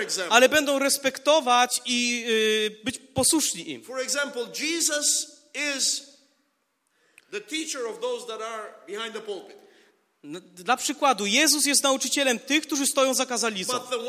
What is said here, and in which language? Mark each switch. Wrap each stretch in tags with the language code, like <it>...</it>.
<pl>Ale będą respektować i być posłuszni im.</pl> <en>For example, Jesus is the teacher of those that are behind the pulpit.</en> <pl>Dla przykładu, Jezus jest nauczycielem tych, którzy stoją za kazalnicą.</pl>